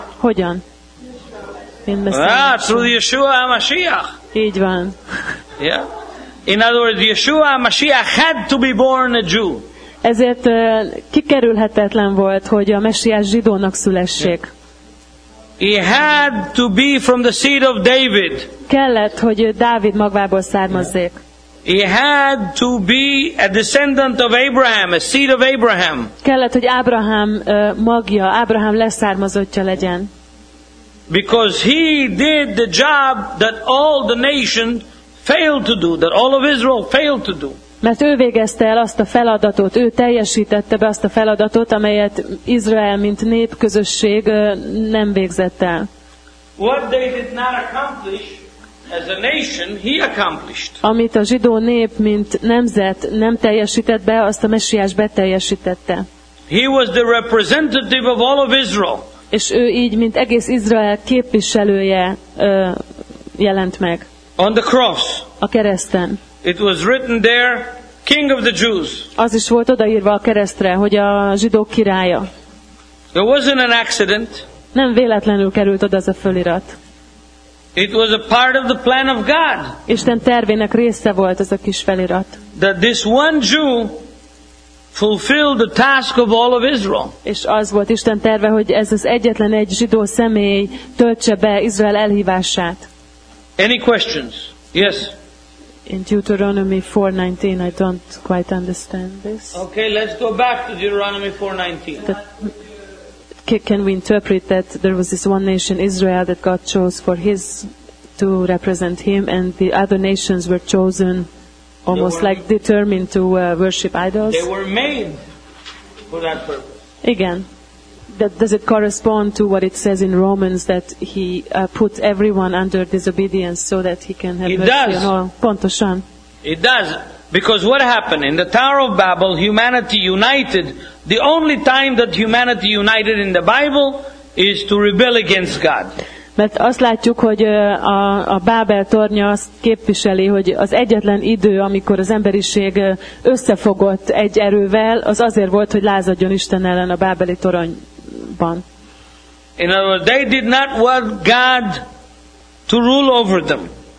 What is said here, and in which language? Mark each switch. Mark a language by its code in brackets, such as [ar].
[hu] Hogyan? [en] Through Yeshua HaMashiach. [hu] Így van. [en] Yeah. In other words, Yeshua HaMashiach had to be born a Jew. [hu] Ezért kikerülhetetlen volt, hogy a Messiás zsidónak szülessék. [en] He had to be from the seed of David. [hu] Kellett, hogy Dávid magvából származzék. [en] He had to be a descendant of Abraham, a seed of Abraham. [hu] Kellett, hogy Ábrahám magja, Ábrahám leszármazottja legyen. [en] Because he did the job that all the nation failed to do, that all of Israel failed to do. [hu] Mert ő végezte el azt a feladatot, ő teljesítette be azt a feladatot, amelyet Izrael, mint népközösség nem végzett el. [en] What they did not accomplish as a nation, he accomplished. [hu] Amit a zsidó nép, mint nemzet nem teljesített be, azt a Messiás beteljesítette. [en] He was the representative of all of Israel. [hu] És ő így, mint egész Izrael képviselője jelent meg. [en] On the cross. [hu] A kereszten. [en] It was written there, King of the Jews. [hu] Az is volt odaírva a keresztre, hogy a zsidók királya. [en] There wasn't an accident. [hu] Nem véletlenül került oda az a fölirat. [en] It was a part of the plan of God. [hu] Isten tervének része volt az a kis felirat. [en] That this one Jew fulfilled the task of all of Israel. [hu] És az volt Isten terve, hogy ez az egyetlen egy zsidó személy töltse be Izrael elhívását. [en] Any questions? Yes. In Deuteronomy 4:19, I don't quite understand this. Okay, let's go back to Deuteronomy 4:19. Can we interpret that there was this one nation, Israel, that God chose for His to represent him, and the other nations were chosen, almost like determined to worship idols. They were made for that purpose. Again, that does it correspond to what it says in Romans that he put everyone under disobedience so that he can have mercy on all? [hu] Pontosan. [en] It does. Because what happened? In the Tower of Babel, humanity united. The only time that humanity united in the Bible is to rebel against God. [hu] Mert azt látjuk, hogy a Bábel tornya azt képviseli, hogy az egyetlen idő, amikor az emberiség összefogott egy erővel, az azért volt, hogy lázadjon Isten ellen a bábeli toronyban. [en] In other words, they did not want God to rule over them.